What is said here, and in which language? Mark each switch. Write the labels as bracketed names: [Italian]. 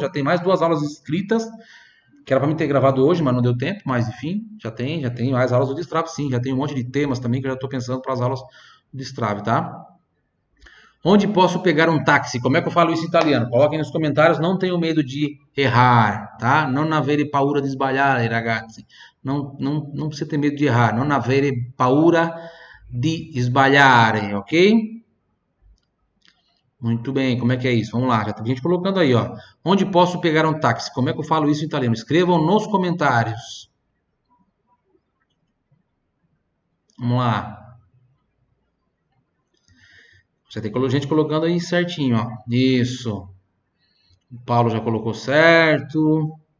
[Portuguese] Já tem mais 2 aulas escritas, que era para mim ter gravado hoje, mas não deu tempo, mas enfim, já tem mais aulas do destrave, sim. Já tem um monte de temas também que eu já estou pensando para as aulas do destrave, tá? Onde posso pegar um táxi? Como é que eu falo isso em italiano? Coloquem nos comentários, não tenho medo de errar, tá? [Italian] Non avere paura di sbagliare, ragazzi. [Portuguese] Não precisa ter medo de errar. [Italian] Non avere paura di sbagliare, ok? [Portuguese] Muito bem, como é que é isso? Vamos lá, já tem gente colocando aí, ó. Onde posso pegar um táxi? Como é que eu falo isso em italiano? Escrevam nos comentários. Vamos lá. Já tem gente colocando aí certinho, ó. Isso. O Paulo já colocou certo.